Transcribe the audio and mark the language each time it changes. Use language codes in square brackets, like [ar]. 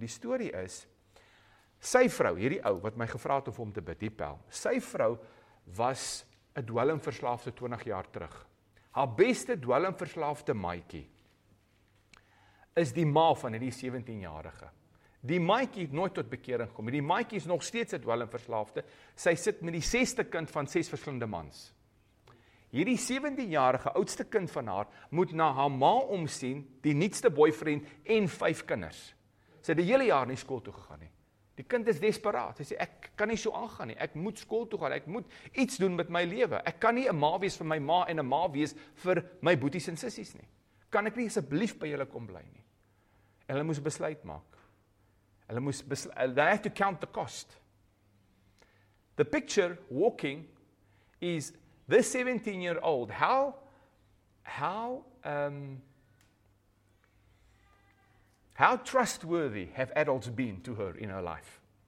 [af] Die story is, sy vrou, hierdie ou, wat my gevra het of om te bid, die pel, sy vrou was 'n dwelmverslaafde 20 jaar terug. Haar beste dwelmverslaafde maatjie is die ma van die 17-jarige. Die maatjie het nooit tot bekering gekom. Die maatjie is nog steeds 'n dwelmverslaafde. Sy sit met die 6de kind van 6 verskillende mans. Hierdie 17-jarige oudste kind van haar moet na haar ma omsien, die nietste boyfriend en 5 kinders. Sy het die hele jaar nie skool toe gegaan nie. Die kind is desperaat. Sy sê, ek kan nie so aangaan nie. Ek moet skool toe gaan. Ek moet iets doen met my lewe. Ek kan nie 'n ma wees vir my ma en 'n ma wees vir my boeties en sissies nie. Kan ek nie asseblief by julle kom bly nie? En hulle moes 'n besluit maak. Hulle moes besluit, [en] they have to count the cost. The picture walking is this 17-year-old, how trustworthy have adults been to her in her life?